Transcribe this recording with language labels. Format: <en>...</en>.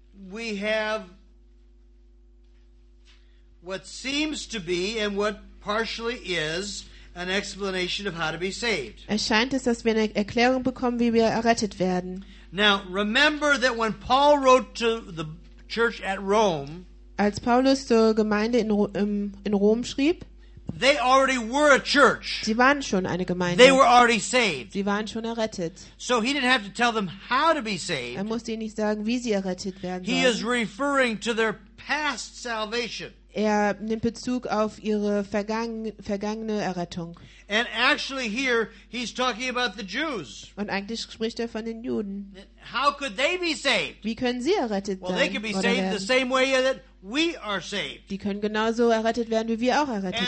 <en>we have what seems to be and what partially is an explanation of how to be saved.</en> <de>Es scheint es, dass wir eine Erklärung bekommen, wie wir errettet werden.</de> <en>Now, remember that when Paul wrote to the church at Rome,</en> <de>als Paulus zur Gemeinde in Rom schrieb,</de> <en>they already were a church.</en> <de>Sie waren schon eine Gemeinde.</de> <en>They were already saved.</en> <de>Sie waren schon errettet.</de> <en>So he didn't have to tell them how to be saved.</en> <de>Er musste ihnen nicht sagen, wie sie errettet werden sollen.</de> <en>He is referring to their past salvation.</en> <de>Er nimmt Bezug auf ihre vergangene Errettung.</de> <en>And actually here he's talking about the Jews.</en> <de>Und eigentlich spricht er von den Juden.</de> <en>How could they be saved?</en> <de>Wie können sie errettet</de> <en>well,</en> <de>sein?</de> <en>They could be saved</en> <de>werden?</de> <en>The same way that we are saved.</en> <de>Die können genauso errettet werden, wie wir auch errettet</de>